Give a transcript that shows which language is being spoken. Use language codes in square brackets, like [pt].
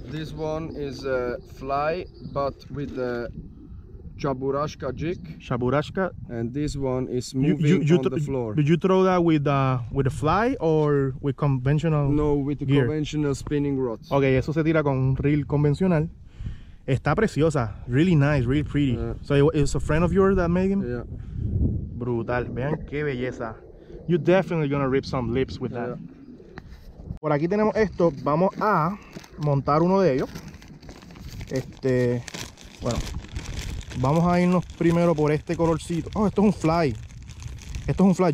[en] This one is a fly, but with the Chaburashka jig. Chaburashka. And this one is moving on the floor. Did you throw that with a fly or with conventional? No, with the gear. Conventional spinning rod. [es] Okay, eso se tira con un reel convencional. Está preciosa. [en] Really nice, really pretty. So it's a friend of yours that made him? Yeah. [es] Brutal. Vean qué belleza. [en] You're definitely gonna rip some lips with that. [es] Yeah. Por aquí tenemos esto. Vamos a montar uno de ellos. Bueno. Vamos a irnos primero por este colorcito. Oh, esto es un fly. Esto es un fly.